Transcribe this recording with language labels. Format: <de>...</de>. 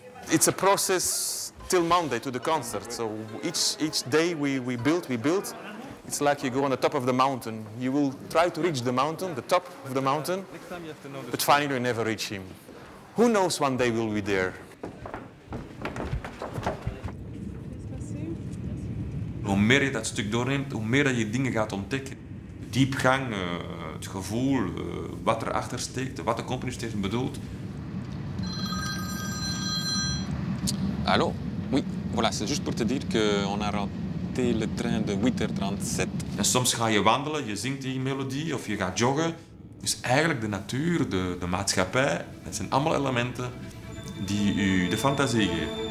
<en>It's a process till Monday to the concert. So each day we build. It's like you go on the top of the mountain. You will try to reach the mountain, the top of the mountain, but finally you never reach him. Who knows, one day we'll be there.</en> <nl>Hoe meer je dat stuk doorneemt, hoe meer je dingen gaat ontdekken. Diepgang, het gevoel, wat erachter steekt, wat de componist heeft bedoeld. Hallo?</nl> <fr>Oui, voilà, c'est juste pour te dire que on a raté le train de 8h37.</fr> <nl>En soms ga je wandelen, je zingt die melodie of je gaat joggen. Dus eigenlijk de natuur, de maatschappij, dat zijn allemaal elementen die u de fantasie geven.</nl>